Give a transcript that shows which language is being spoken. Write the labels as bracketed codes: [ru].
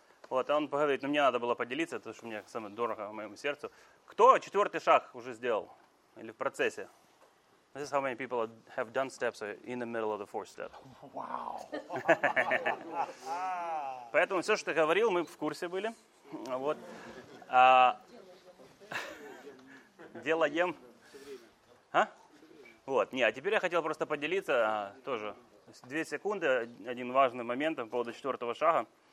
[ru] Вот, он говорит: мне надо было поделиться, потому что мне самое дорогое в моем сердце. Кто четвертый шаг уже сделал? Или в процессе? [en] This is how many people have done steps in the middle of the fourth step. Wow. [ru] Поэтому все, что ты говорил, мы в курсе были. Вот. Делаем. А? Вот. Не, а теперь я хотел просто поделиться тоже. Две секунды, один важный момент по поводу четвертого шага.